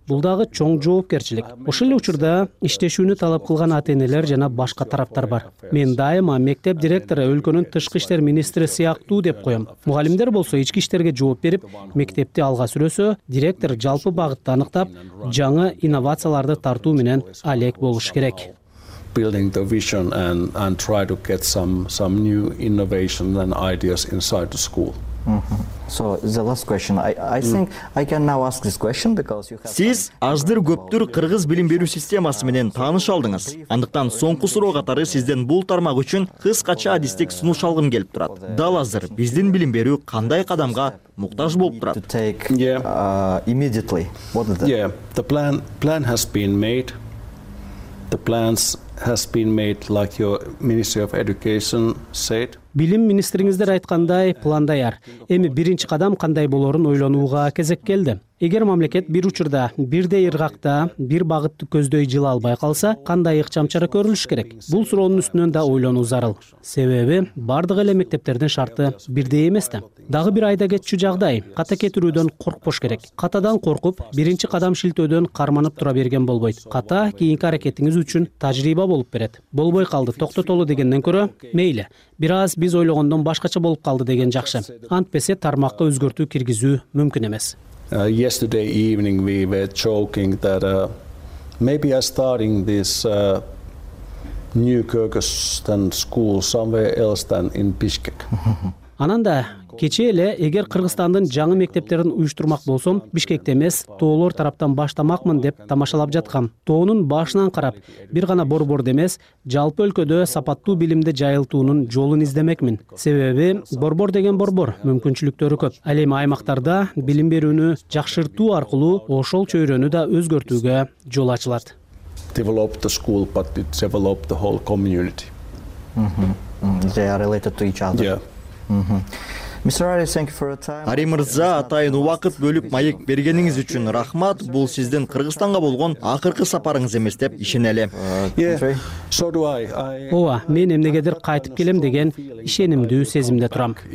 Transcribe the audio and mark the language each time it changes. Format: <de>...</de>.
<ky>Бул дагы чоң жоопкерчилик. Ошол эле учурда иштешүүнү талап кылган ата-энелер жана башка тараптар бар. Мен дайыма мектеп директору өлкөнүн тышкы иштер министри сыяктуу деп коем. Мугалимдер болсо ички иштерге жооп берип, мектепти алга сүрөсө, директор жалпы багытты аныктап, жаңы инновацияларды тартуу менен алек болуш керек.</ky> <en>Building the vision and try to get some new innovation and ideas inside the school. So the last question. I think I can now ask this question because you have.</en> <ky>Сиз аздыр көптүр кыргыз билим берүү системасы менен тааныш алдыңыз. Андыктан соңку суроо катары сизден бул тармак үчүн кыскача адистик сунуш алгым келип турат. Дал азыр биздин билим берүү кандай кадамга муктаж болуп турат?</ky> <en>Immediately. What is that? Yeah, the plan has been made. The plans has been made like your Ministry of Education said.</en> <ky>Билим министриңиздер айткандай план даяр. Эми биринчи кадам кандай болорун ойлонууга кезек келди. Эгер мамлекет бир учурда бирдей ыргакта бир багытты көздөй жыла албай калса, кандай ыкчам чара көрүлүш керек? Бул суроонун үстүнөн да ойлонуу зарыл. Себеби бардык эле мектептердин шарты бирдей эмес да. Дагы бир айда кетчү жагдай, ката кетирүүдөн коркпош керек. Катадан коркуп, биринчи кадам шилтөөдөн карманып тура берген болбойт. Ката кийинки аракетиңиз үчүн тажрыйба болуп берет. Болбой калды, токтотолу дегенден көрө, мейли, бир аз биз ойлогондон башкача болуп калды деген жакшы. Антпесе тармакка өзгөртүү киргизүү мүмкүн эмес.</ky> <en>Yesterday evening we were joking that maybe I'm starting this new Kyrgyzstan school somewhere else than in Bishkek.</en> <ky>Ананда кечээ эле эгер Кыргызстандын жаңы мектептерин уюштурмак болсом, Бишкекте эмес, тоолор тараптан баштамакмын деп тамашалап жаткам. Тоонун башынан карап, бир гана борборду эмес, жалпы өлкөдө сапаттуу билимди жайылтуунун жолун издемекмин. Себеби, борбор деген борбор, мүмкүнчүлүктөрү көп. Ал эми аймактарда билим берүүнү жакшыртуу аркылуу ошол чөйрөнү да өзгөртүүгө жол ачылат.</ky> <en>Develop the school, but it develop the whole community. They are related to each other. Yeah.</en> <ky>Ари Мырза, атайын убакыт бөлүп маек бергениңиз үчүн рахмат. Бул сиздин Кыргызстанга болгон акыркы сапарыңыз эмес деп ишенелем. Ооба, мен эмнегедир кайтып келем деген ишенимдүү сезимде турам.</ky>